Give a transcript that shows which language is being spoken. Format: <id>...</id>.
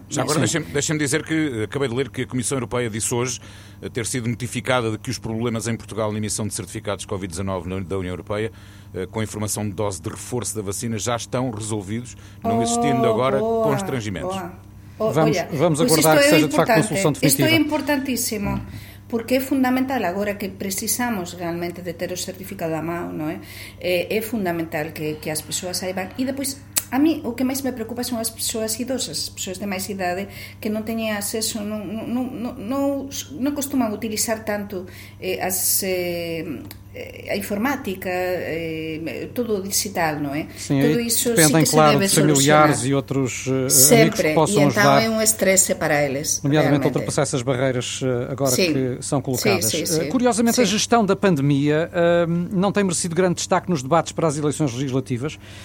<pt>Já agora deixem-me dizer que acabei de ler que a Comissão Europeia disse hoje ter sido notificada de que os problemas em Portugal na emissão de certificados de Covid-19 da União Europeia, com a informação de dose de reforço da vacina, já estão resolvidos, não existindo agora constrangimentos. Vamos aguardar que seja de facto uma solução definitiva. Isto é importantíssimo. Porque é fundamental, agora que precisamos realmente de ter o certificado a mão, não é? É fundamental que as pessoas saibam.</pt> <gl>E depois, a mí, o que máis me preocupa son as persoas idosas, as persoas de máis idade, que non teñen acceso, non costuman utilizar tanto a informática, todo o digital, não é?</gl> <pt>Sim, tudo isso dependem, sim, claro, de familiares e outros amigos que possam ajudar. Sempre, e então é um estresse para eles. Nomeadamente, ultrapassar essas barreiras agora que são colocadas. Sim. Curiosamente, a gestão da pandemia não tem merecido grande destaque nos debates para as eleições legislativas.</pt>